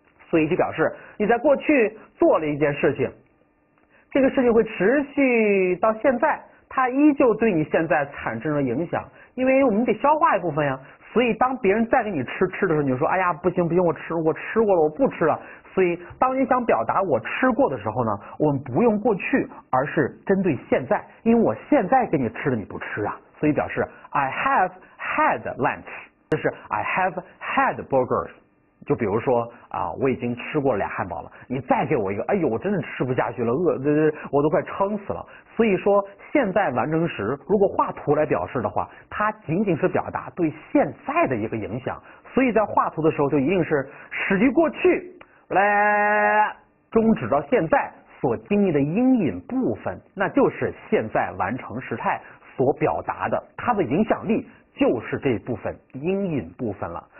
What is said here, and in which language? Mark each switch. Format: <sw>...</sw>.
<zh>所以就表示你在过去做了一件事情，这个事情会持续到现在，它依旧对你现在产生了影响，因为我们得消化一部分呀。所以当别人再给你吃的时候，你就说哎呀不行不行，我吃过了，我不吃了。所以当你想表达我吃过的时候呢，我们不用过去，而是针对现在，因为我现在给你吃的你不吃啊。所以表示</zh> <en>I have had lunch，</en> <zh>这是</zh> <en>I have had burgers。</en> <zh>就比如说啊，我已经吃过俩汉堡了，你再给我一个，哎呦，我真的吃不下去了，我都快撑死了。所以说，现在完成时如果画图来表示的话，它仅仅是表达对现在的一个影响。所以在画图的时候，就一定是始于过去，来终止到现在所经历的阴影部分，那就是现在完成时态所表达的，它的影响力就是这部分阴影部分了。</zh>